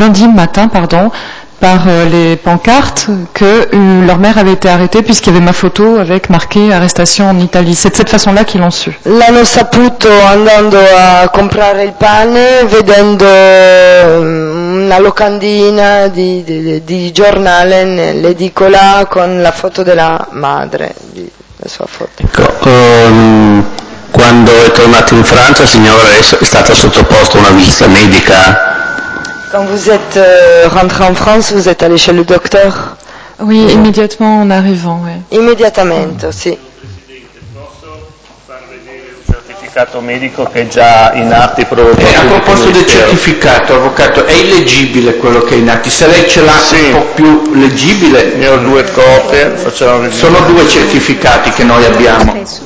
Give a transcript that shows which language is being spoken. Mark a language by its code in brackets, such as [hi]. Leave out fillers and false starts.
[fr] Le lundi matin, par les pancartes, que leur mère avait été arrêtée puisqu'il y avait ma photo avec marqué arrestation en Italie. C'est de cette façon-là qu'ils l'ont su. [it] L'hanno saputo andando a comprare il pane, vedendo una locandina di giornale nell'edicola con la foto della madre, la sua foto. Ecco, quando è tornato in Francia, il signore è stato sottoposto a una visita medica. [fr] Quand vous êtes rentré en France, vous êtes allé chez le docteur? Oui, immédiatement en arrivant, oui. [it] Immediatamente, sì. Medico che è già in atti provocato. A proposito del certificato, avvocato, è illeggibile quello che è in atti? Se lei ce l'ha, sì, un po' più leggibile. Ne ho due copie, facciamo leggibile. Sono due certificati che noi abbiamo.